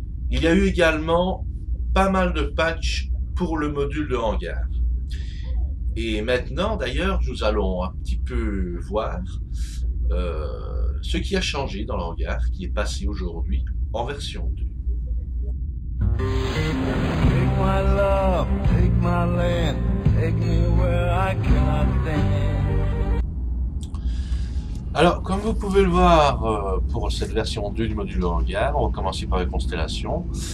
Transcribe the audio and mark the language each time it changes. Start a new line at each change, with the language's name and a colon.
French: Il y a eu également pas mal de patchs pour le module de hangar. Et maintenant, d'ailleurs, nous allons un petit peu voir ce qui a changé dans le hangar, qui est passé aujourd'hui en version 2.
English: My love, take my land, take me where I cannot stand.
French: Alors, comme vous pouvez le voir pour cette version 2 du module hangar, on va commencer par les constellations.